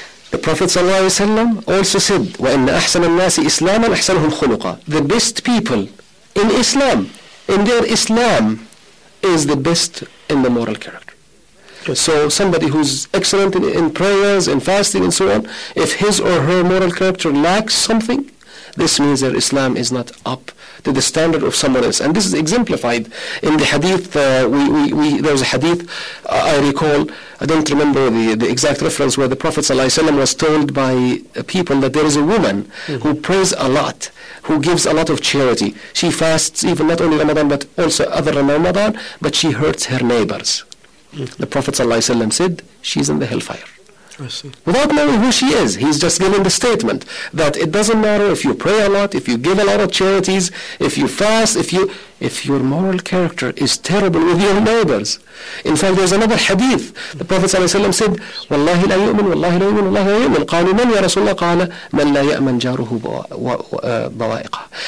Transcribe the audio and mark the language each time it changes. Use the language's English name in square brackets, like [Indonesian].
[English] The Prophet ﷺ also said, [Arabic] وَإِنَّ أَحْسَنَ النَّاسِ إِسْلَامًا أَحْسَنَهُمْ خُلُقًا. [English] The best people in Islam, in their Islam, is the best in the moral character. So somebody who's excellent in prayers and fasting and so on, if his or her moral character lacks something, this means their Islam is not up to the standard of someone else. And this is exemplified in the hadith. There was a hadith, I recall, I don't remember the exact reference, where the Prophet ﷺ was told by people that there is a woman who prays a lot, who gives a lot of charity. She fasts even not only Ramadan, but also other Ramadan, but she hurts her neighbors. Mm-hmm. The Prophet ﷺ said, she's in the hellfire. I see. Without knowing who she is, he's just giving the statement that it doesn't matter if you pray a lot, if you give a lot of charities, if you fast, if your moral character is terrible with your neighbors. In fact, there's another hadith. The Prophet ﷺ said, [Arabic] وَاللَّهِ لَا يُؤْمِنُ وَاللَّهِ لَا يُؤْمِنُ وَاللَّهِ لَا يُؤْمِنُ قَالُوا مَنْ يَا رَسُولَ اللَّهِ قَالَ مَنْ لَا يَأْمَنْ جَارُهُ بَوَائِقَهُ.